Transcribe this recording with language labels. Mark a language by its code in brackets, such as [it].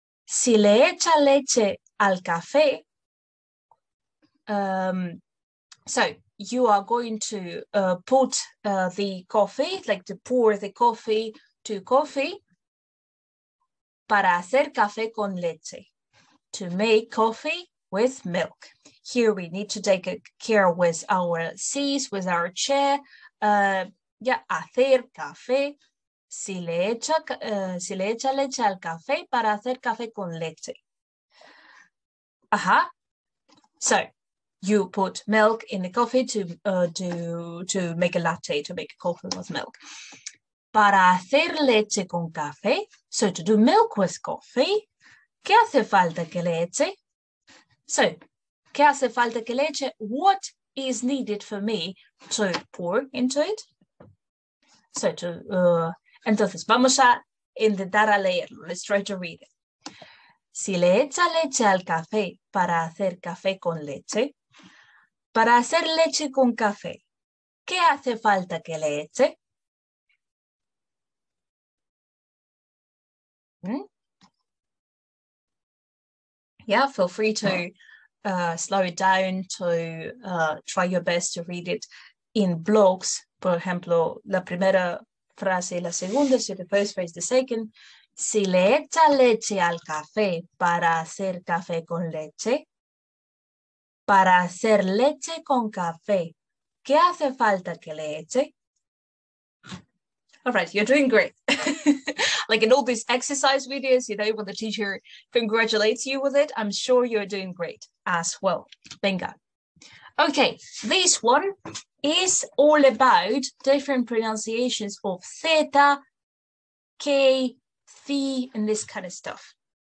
[es] Si le echa leche al café. [en] So you are going to put the coffee, like to pour the coffee to coffee. [es] Para hacer café con leche. [en] To make coffee with milk. Here we need to take care with our C's, with our chair. [es] Hacer café, si le echa leche al café para hacer café con leche. Uh-huh. [en] So, you put milk in the coffee to make a latte, to make a coffee with milk. [es] Para hacer leche con café, [en] so to do milk with coffee, [es] ¿qué hace falta que le eche? So, ¿qué hace falta que le eche? [en] What is needed for me to pour into it. [es] So to, entonces, vamos a intentar a leerlo. [en] Let's try to read it. [es] Si le echa leche al café para hacer café con leche, para hacer leche con café, ¿qué hace falta que le eche? [en] Yeah, feel free to... slow it down to try your best to read it in blocks. [es] Por ejemplo, la primera frase y la segunda, [en] so the first phrase, the second. [es] Si le echa leche al café para hacer café con leche, para hacer leche con café, ¿qué hace falta que le eche? [en] All right, you're doing great. Like in all these exercise videos, you know, when the teacher congratulates you with it, I'm sure you're doing great as well. [es] Venga. [en] Okay, this one is all about different pronunciations of theta, k, thi, and this kind of stuff.